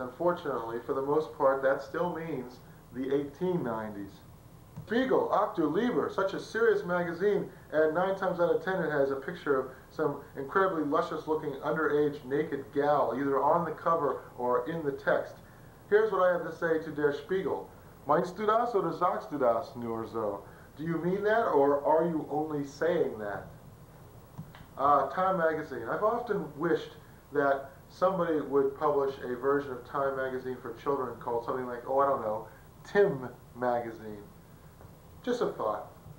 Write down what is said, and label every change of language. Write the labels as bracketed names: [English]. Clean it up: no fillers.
[English] Unfortunately, for the most part, that still means the 1890s. Spiegel, [German] Ach du Lieber, [English] such a serious magazine, and 9 times out of 10 it has a picture of some incredibly luscious-looking underage naked gal, either on the cover or in the text. Here's what I have to say to Der Spiegel. [German] Meinst du das oder sagst du das nur so? [English] Do you mean that, or are you only saying that? Time Magazine. I've often wished that somebody would publish a version of Time magazine for children called something like, oh, I don't know, Tim magazine. Just a thought.